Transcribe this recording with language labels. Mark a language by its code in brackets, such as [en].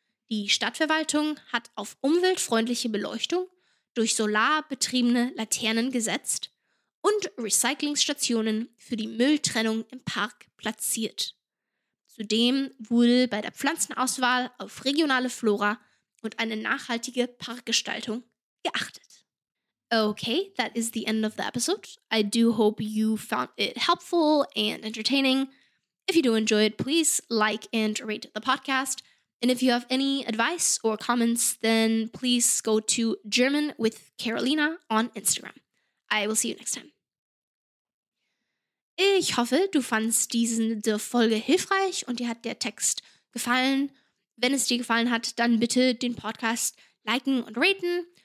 [de] Die Stadtverwaltung hat auf umweltfreundliche Beleuchtung durch solarbetriebene Laternen gesetzt und Recyclingstationen für die Mülltrennung im Park platziert. Zudem wurde bei der Pflanzenauswahl auf regionale Flora und eine nachhaltige Parkgestaltung geachtet. [en] Okay, that is the end of the episode. I do hope you found it helpful and entertaining. If you do enjoy it, please like and rate the podcast. And if you have any advice or comments, then please go to German with Carolina on Instagram. I will see you next time. [de] Ich hoffe, du fandst diese Folge hilfreich und dir hat der Text gefallen. Wenn es dir gefallen hat, dann bitte den Podcast liken und raten.